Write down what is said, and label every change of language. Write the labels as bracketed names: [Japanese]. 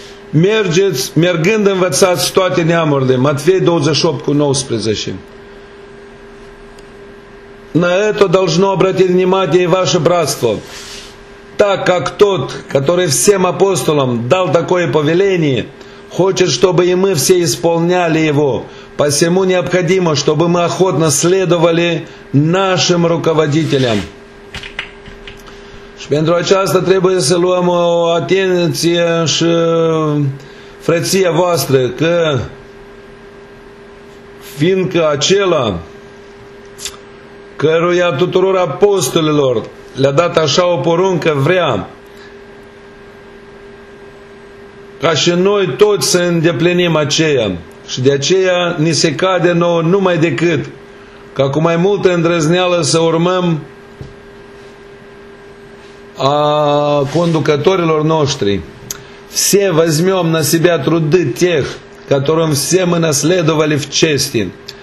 [Romanian] Mergeți, mergând învățați toate neamurile. Matfei 28:19. [Russian] На это должно обратить внимание и ваше братство. Так как тот, который всем апостолам дал такое повеление, хочет, чтобы и мы все исполняли его, посему необходимо, чтобы мы охотно следовали нашим руководителям. [Romanian] Și pentru aceasta trebuie să luăm o atenție și frăția voastră, că fiindcă acela căruia tuturor apostolilor le-a dat așa o poruncă, vrea ca și noi toți să îndeplinim aceea. Și de aceea ni se cade nouă numai decât ca cu mai multă îndrăzneală să urmăm a conducătorilor noștri. [Russian] Все возьмем на себя труды тех, которым все мы наследовали в чести.